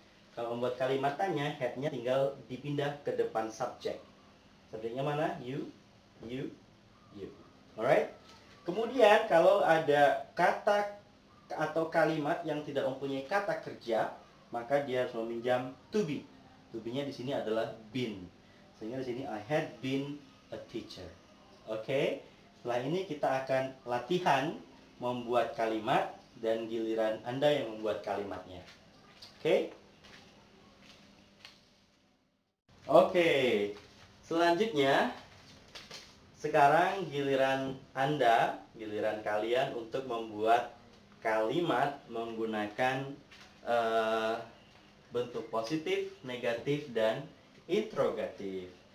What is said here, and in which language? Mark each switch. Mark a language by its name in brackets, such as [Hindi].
[Indonesian] Kalau membuat kalimat tanya, had-nya tinggal dipindah ke depan subjek. Subjeknya mana? You, alright. Kemudian kalau ada kata atau kalimat yang tidak mempunyai kata kerja, maka dia harus meminjam to be. To be-nya di sini adalah been. Sehingga di sini [English] I had been a teacher. [Indonesian] Okay? Setelah ini kita akan latihan membuat kalimat dan giliran Anda yang membuat kalimatnya. Okay? Okay. Selanjutnya sekarang giliran Anda, giliran kalian untuk membuat kalimat menggunakan bentuk positif, negatif, dan interrogatif.